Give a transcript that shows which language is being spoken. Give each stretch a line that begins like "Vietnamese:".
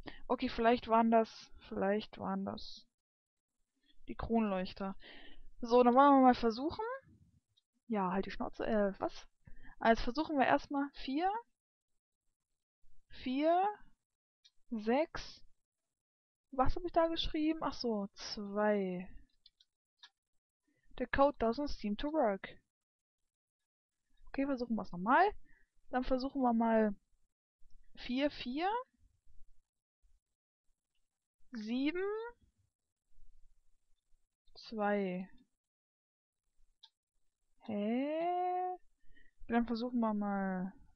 German: Okay, vielleicht waren das die Kronleuchter. So, dann wollen wir mal versuchen. Ja, halt die Schnauze, was? Also versuchen wir erstmal 4, 4, 6, was habe ich da geschrieben? Ach so, 2.
English: The code doesn't seem to work.
German: Okay, versuchen wir es nochmal. Dann versuchen wir mal 4, 4, 7, 2. Hä? Dann versuchen wir mal.